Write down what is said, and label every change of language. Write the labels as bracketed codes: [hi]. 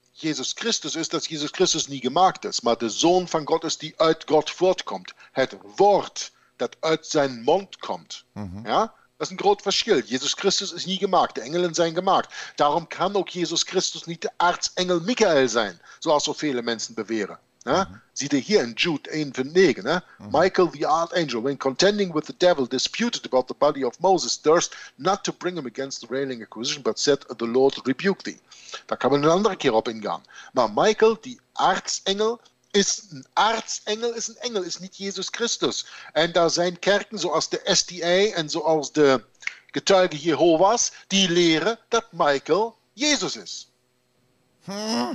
[nl] Jezus Christus is, dat Jezus Christus niet gemaakt is, maar de Zoon van God is die uit God voortkomt. Het woord dat uit zijn mond komt. Mm-hmm. Ja? Dat is een groot verschil. Jezus Christus is niet gemaakt. De engelen zijn gemaakt. Daarom kan ook Jezus Christus niet de aartsengel Michael zijn, zoals zo vele mensen beweren. Ja? Mm-hmm. Zie je hier in Jude 1, vers 9. Ne? Mm-hmm. [en] Michael, the archangel, when contending with the devil, disputed about the body of Moses, durst not to bring him against the railing accusation, but said, the Lord rebuke thee. [nl] Daar kan men een andere keer op ingaan. Maar Michael, die aartsengel, is een aartsengel, is een engel, is niet Jezus Christus. En daar zijn kerken zoals de SDA en zoals de getuigen Jehovah's, die leren dat Michael Jezus is. Hmm.